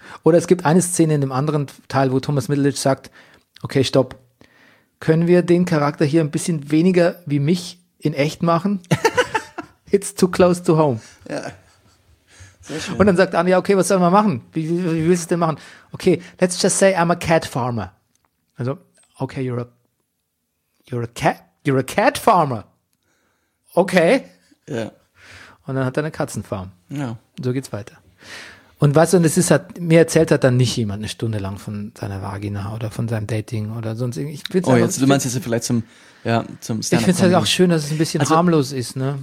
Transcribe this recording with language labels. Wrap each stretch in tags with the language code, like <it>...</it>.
<de>Oder es gibt eine Szene in dem anderen Teil, wo Thomas Middleditch sagt, okay, stopp, können wir den Charakter hier ein bisschen weniger wie mich in echt machen?</de> <en>It's too close to home.</en> <de>Ja. Und dann sagt Anja, okay, was sollen wir machen? Wie willst du es denn machen?</de> <en>Okay, let's just say I'm a cat farmer. Also, okay, you're a cat farmer.</en> <de>Okay. Ja. Und dann hat er eine Katzenfarm. Ja. So geht's weiter. Und weißt du, und es ist halt, mir erzählt hat dann nicht jemand eine Stunde lang von seiner Vagina oder von seinem Dating oder sonst irgendwie. Oh, jetzt, du meinst jetzt vielleicht zum Stand-up. Ich finde es halt auch schön, dass es ein bisschen harmlos ist, ne?</de>